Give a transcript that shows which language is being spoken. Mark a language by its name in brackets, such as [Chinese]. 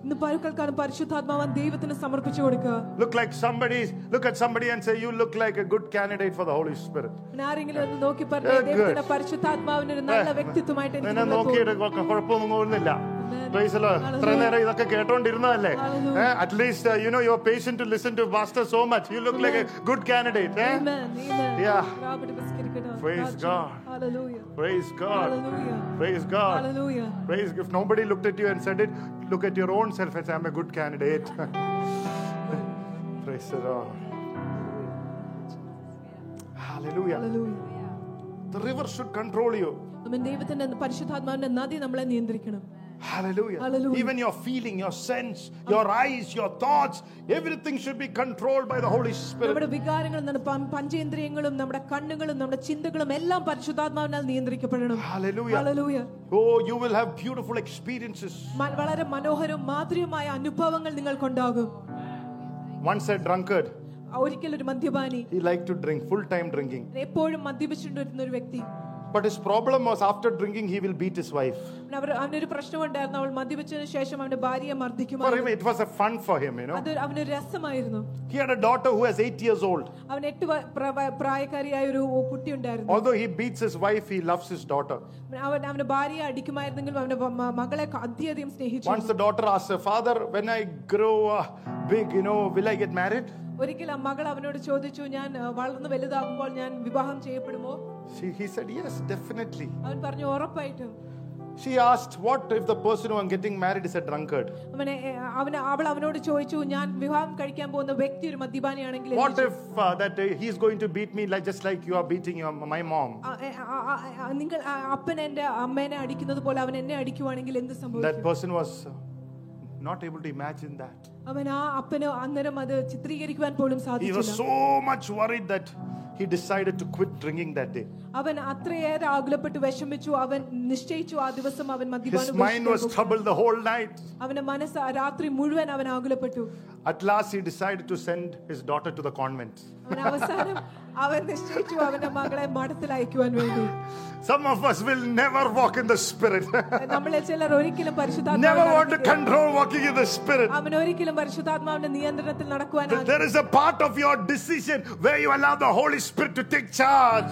[Malayalam] ഇന്ന് പരുക്കൽക്കാരൻ പരിശുദ്ധാത്മാവൻ ദൈവത്തിന് സമർപ്പിച്ചു കൊടുക്കുക. [English] Look like somebody, look at somebody and say, you look like a good candidate for the Holy Spirit. [Malayalam] ആരെങ്കിലും ഒന്ന് നോക്കി പറ ദൈവത്തിന്റെ പരിശുദ്ധാത്മാവിന് ഒരു നല്ല വ്യക്തിത്വമായിട്ട് എനിക്ക് തോന്നുന്നു. നിന്നെ നോക്കിയിട്ട് കുഴപ്പമൊന്നും തോന്നുന്നില്ല. [English] Praise the Lord. [Malayalam] ഇത്ര നേരം ഇതൊക്കെ കേട്ടോണ്ടിരുന്നതല്ലേ. [English] At least you know you are patient to listen to Pastor so much. You look like a good candidate. Amen. Amen. Yeah. Praise God. Hallelujah. Praise God. Hallelujah. Praise God. Hallelujah. Praise. If nobody looked at you and said it, look at your own self and say, I'm a good candidate. Praise the Lord. Hallelujah. Hallelujah. The river should control you. [Malayalam] നമ്മൾ ദൈവത്തിന്റെ പരിശുദ്ധാത്മാവിന്റെ നദി നമ്മളെ നിയന്ത്രിക്കണം. [English] Hallelujah. Hallelujah. Even your feeling, your sense, your eyes, your thoughts, everything should be controlled by the Holy Spirit. [Malayalam] നമ്മുടെ വികാരങ്ങളും നമ്മുടെ പഞ്ചേന്ദ്രിയങ്ങളും നമ്മുടെ കണ്ണുകളും നമ്മുടെ ചിന്തകളും എല്ലാം പരിശുദ്ധാത്മാവിനാൽ നിയന്ത്രിക്കപ്പെടണം. [English] Hallelujah. Hallelujah. Oh, you will have beautiful experiences. [Malayalam] വളരെ മനോഹരവും മാധുര്യവുമായ അനുഭവങ്ങൾ നിങ്ങൾക്ക് ഉണ്ടാകും. [English] Once a drunkard. [Malayalam] ഒരിക്കൽ ഒരു മദ്യപാനി. [English] He liked to drink full time drinking. [Malayalam] എപ്പോഴും മദ്യപിച്ചിരുന്ന ഒരു വ്യക്തി. [English] But his problem was after drinking he will beat his wife. [Malayalam] അവന് ഒരു പ്രശ്നം ഉണ്ടായിരുന്നു. അവൾ മദ്യപിച്ചതിനു ശേഷം അവന്റെ ഭാര്യയെ മർദ്ദിക്കുമായിരുന്നു. [English] It was a fun for him, you know. [Malayalam] അത് അവന് രസമായിരുന്നു. [English] He had a daughter who was 8 years old. [Malayalam] അവന് 8 പ്രായക്കാരിയായ ഒരു കുട്ടി ഉണ്ടായിരുന്നു. [English] Although he beats his wife, he loves his daughter. [Malayalam] അവന്റെ ഭാര്യയെ അടിക്കുമായിരുന്നെങ്കിലും അവന്റെ മകളെ അത്യധികം സ്നേഹിച്ചു. [English] Once the daughter asked, "Father, when I grow big, you know, will I get married?" [Malayalam] ഒരിക്കൽ ആ മകൾ അവനോട് ചോദിച്ചു, ഞാൻ വളർന്ന് വലുതാകുമ്പോൾ ഞാൻ വിവാഹം ചെയ്യപ്പെടുമോ? [English] He said, yes, definitely. [Malayalam] അവൻ പറഞ്ഞു, ഉറപ്പായിട്ടും. [English] She asked, what if the person who I'm getting married is a drunkard? [Malayalam] അവനോട് ചോദിച്ചു, ഞാൻ വിവാഹം കഴിക്കാൻ പോകുന്ന വ്യക്തി ഒരു മദ്യപാനിയാണെങ്കിൽ? [English] What if that he is going to beat me like just like you are beating your my mom? [Malayalam] നിങ്ങൾ അപ്പൻ എന്റെ അമ്മേനെ അടിക്കുന്നത് പോലെ അവൻ എന്നെ അടിക്കുവാണെങ്കിൽ എന്ത് സംഭവിക്കും? [English] That person was not able to imagine that. [Malayalam] അവനെ അപ്പനെ അന്നേരം അത് ചിത്രീകരിക്കാൻ പോലും സാധിച്ചില്ല. [English] He was so much worried that he decided to quit drinking that day. [Malayalam] അവനെ അത്രയേറെ ആകുലപ്പെട്ട് വിഷമിച്ചു. അവൻ നിശ്ചയിച്ചു ആ ദിവസം അവൻ മദ്യപാനം. [English] His mind was troubled the whole night. [Malayalam] അവനെ മനസ്സ് രാത്രി മുഴുവൻ അവൻ ആകുലപ്പെട്ടു. [English] At last he decided to send his daughter to the convent. Some of us will never walk in the spirit. Never want to control walking in the spirit. There is a part of your decision where you allow the Holy Spirit to take charge.